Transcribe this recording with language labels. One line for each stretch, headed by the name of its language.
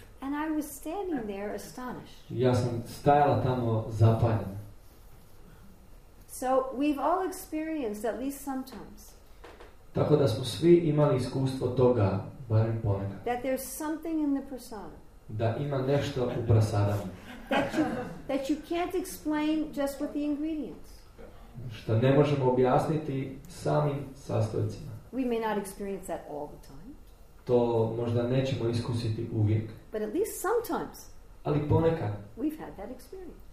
English: And I was standing there astonished.
Croatian: Ja sam stajala tamo zapanjen.
English: So we've all experienced at least sometimes.
Croatian: Tako da smo svi imali iskustvo toga barem ponekad.
English: That there's something in the prasadam.
Croatian: Da ima nešto u prasadama.
English: That you can't explain just with the ingredients.
Croatian: Što ne možemo objasniti samim sastojcima.
English: We may not experience that all the time.
Croatian: To možda nećemo iskusiti uvijek.
English: But at least sometimes.
Croatian: Ali ponekad.
English: We've had that experience.